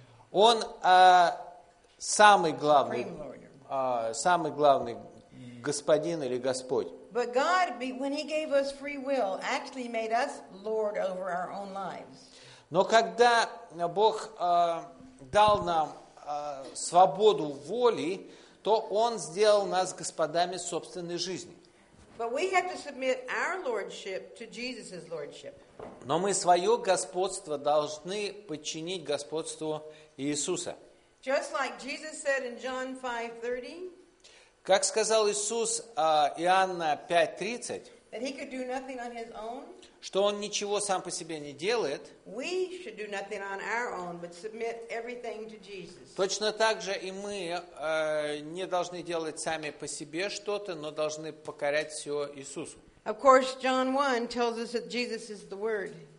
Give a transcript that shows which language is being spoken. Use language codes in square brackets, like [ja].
[ru] Он самый главный Господин или Господь. [en] But God, when He gave us free will, actually made us Lord over our own lives. [ru] Но когда Бог дал нам свободу воли, то Он сделал нас господами собственной жизни. [en] But we have to submit our lordship to Jesus's lordship. [ru] Но мы свое господство должны подчинить господству Иисуса. [en] Just like Jesus said in John 5:30. [ru] Как сказал Иисус Иоанна 5:30. [en] That he could do nothing on his own. [ru] Что он ничего сам по себе не делает. [en] We should do nothing on our own, but submit everything to Jesus. [ru] Точно так же и мы не должны делать сами по себе что-то, но должны покорять все Иисусу. [en] Of course, John 1 tells us that Jesus is the Word.